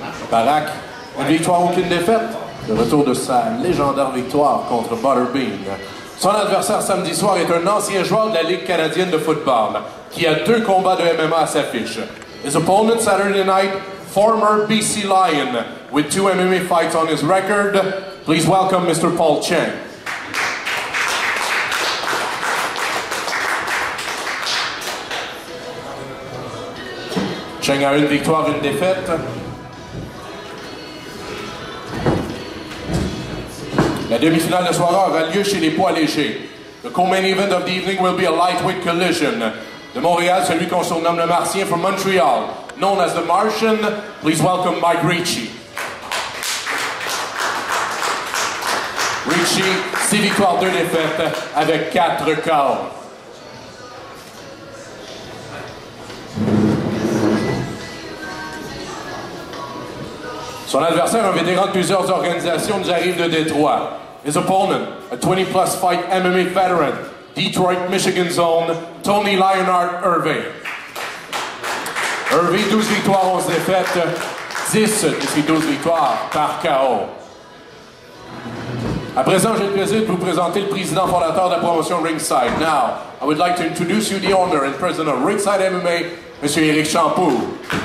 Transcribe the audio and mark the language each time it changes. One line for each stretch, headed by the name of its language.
French: Barack, une victoire aucune défaite. Le retour de sa légendaire victoire contre Butterbean. Son adversaire samedi soir est un ancien joueur de la Ligue canadienne de football qui a deux combats de MMA à sa fiche.
English: His opponent Saturday night, former BC Lion, with two MMA fights on his record. Please welcome Mr. Paul Chang.
French: Chang a une victoire, une défaite. La demi-finale de soirée aura lieu chez les poids légers.
English: The co-main event of the evening will be a lightweight collision.
French: De Montréal, celui qu'on surnomme le Martien,
English: from Montreal, known as the Martian, please welcome Mike Ricci.
French: Ricci, 6 victoires, 2 défaites, avec 4 KO. Son adversaire, un vétéran de plusieurs organisations, nous arrive de Détroit.
English: His opponent, a 20-plus fight MMA veteran, Detroit, Michigan zone, Tony Lionheart Hervé.
French: Hervé, 12 victoires, 11 défaites, 10 de ses 12 victoires par KO. À présent, j'ai le plaisir de vous présenter le président fondateur de la promotion Ringside.
English: Now, I would like to introduce you the owner and president of Ringside MMA, Monsieur Éric Champoux.